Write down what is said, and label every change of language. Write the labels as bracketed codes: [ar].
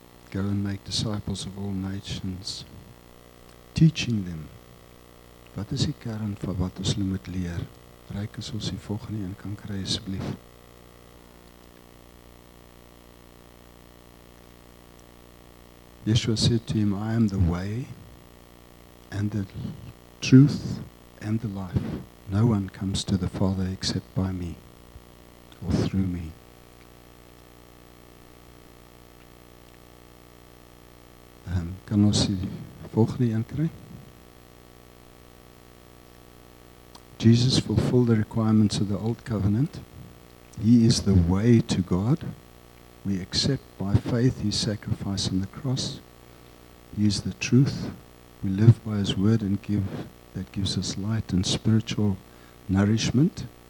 [en] Go and make disciples of all nations, teaching them. [af] Wat is die kern van wat ons moet leer? Reik as ons die volgende een kan kry asseblief. [en] Yeshua said to him, I am the way and the truth and the life. No one comes to the Father except by me or through me. [af] Kan ons die volgende een kry? [en] Jesus fulfilled the requirements of the old covenant. He is the way to God. We accept by faith his sacrifice on the cross. He is the truth. We live by his word and gives us light and spiritual nourishment.